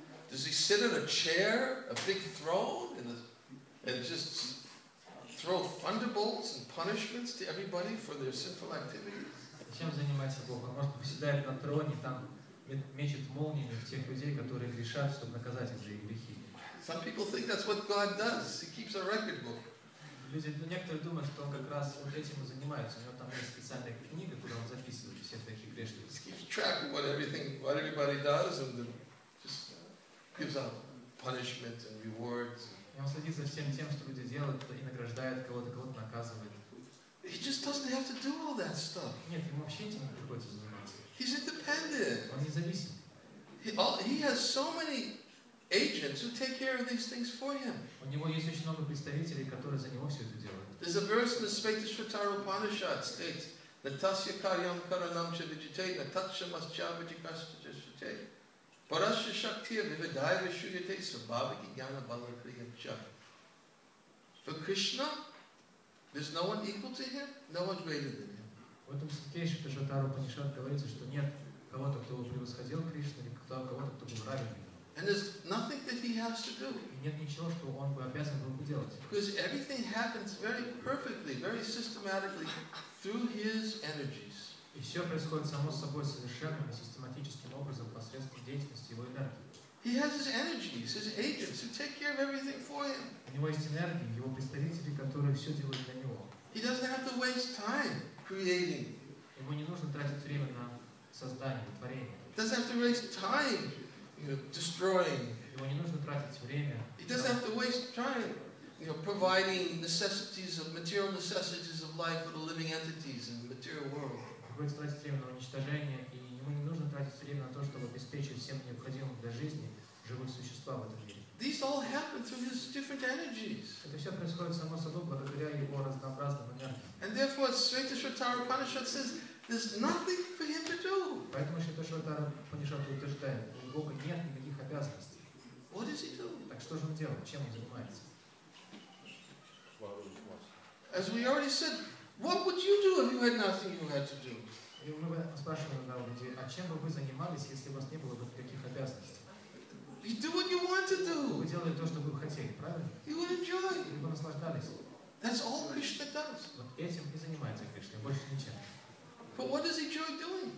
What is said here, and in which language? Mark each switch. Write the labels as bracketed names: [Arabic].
[English] Does He sit in a chair, a big throne, and just throw thunderbolts and punishments to everybody for their sinful activities? [Russian] Чем занимается Бог? Он просто поседает на троне, там мечет молниями в тех людей, которые грешат, чтобы наказать их за их грехи. [English] Some people think that's what God does. He keeps a record book. [Russian] Люди, некоторые думают, что он как раз вот этим и занимается. У него там есть специальная книга, куда он записывает все такие грешники. [English] He keeps track of what everything, what everybody does, and then just gives out punishments and rewards. [Russian] И он следит за всем тем, что люди делают, и награждает кого-то, кого-то наказывает. [English] He just doesn't have to do all that stuff. [Russian] Нет, ему вообще этим не приходится заниматься. [English] He's independent. [Russian] Он независим. [English] He has so many agents who take care of these things for him. [Russian] У него есть очень много представителей, которые за него все это делают. [English] There's a verse in the Svetashvatara Upanishad states, [Sanskrit] "Natasya karyam karanam chavijite, natasya maschavijikasvijite, parasya shaktiya vividaya vishuyate, sabhaviki jnana balakriya cha." [English] For Krishna, there's no one equal to him, no one greater than him. [Russian] В этом Svetashvatara Upanishad говорится, что нет кого-то, кто бы превосходил Кришну, или кого-то, кто бы равен. [English] And there's nothing that he has to do. [Russian] Нет ничего, что он бы обязан был бы делать. [English] Because everything happens very perfectly, very systematically through his energies. [Russian] И все происходит само собой совершенно систематическим образом посредством деятельности его энергии. [English] He has his energies, his agents who take care of everything for him. [Russian] У него есть энергии, его представители, которые все делают для него. [English] He doesn't have to waste time creating. [Russian] Ему не нужно тратить время на создание, на творение. [English] He doesn't have to waste time. Destroying. [Russian] Ему не нужно тратить время. [English] He doesn't have to waste time providing necessities of material necessities of life for the living entities in the material world. [Russian] Будет тратить время на уничтожение, и ему не нужно тратить время на то, чтобы обеспечить всем необходимым для жизни живых существа в этом мире. [English] These all happen through his different energies. [Russian] Это все происходит само собой благодаря его разнообразным энергиям. [English] And therefore, Sri Shatara Upanishad says there's nothing for him to do. [Russian] Поэтому Шри Шатара Панишат утверждает, у Бога нет никаких обязанностей. [English] What does he do? [Russian] Так что же он делает? Чем он занимается? [English] As we already said, what would you do if you had nothing you had to do? [Russian] И мы спрашиваем на уроке, а чем бы вы занимались, если у вас не было бы никаких обязанностей? [English] You do what you want to do. [Russian] Вы делали то, что вы хотели, правильно? [English] You would enjoy. [Russian] Вы бы наслаждались. [English] That's all Krishna does. [Russian] Вот этим и занимается Кришна, больше ничем. [English] But what does he enjoy doing?